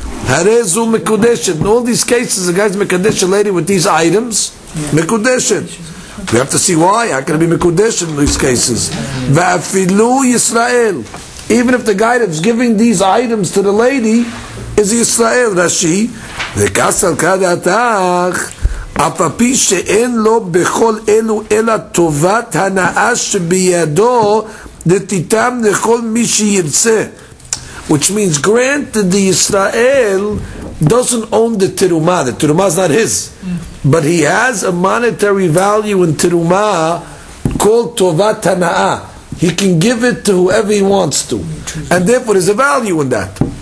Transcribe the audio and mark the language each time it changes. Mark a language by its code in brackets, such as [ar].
[he] Harezu Mekudeshet. [en] In all these cases, the guy's Mekudeshet lady with these items. Mekudeshet. We have to see why. How can it be Mekudeshet in these cases? [he] Va'afilu Yisrael. [en] Even if the guy that's giving these items to the lady is Yisrael, Rashi. [he] Ve'kasal kadatach. אפפי שאין לו בכל אלו אלא טובת הנאה שבידו נתיתם לכל מי שירצה. [en] Which means, granted, the Israel doesn't own the terumah. The terumah is not his. But he has a monetary value in terumah called טובת הנאה. He can give it to whoever he wants to. And therefore, there's a value in that.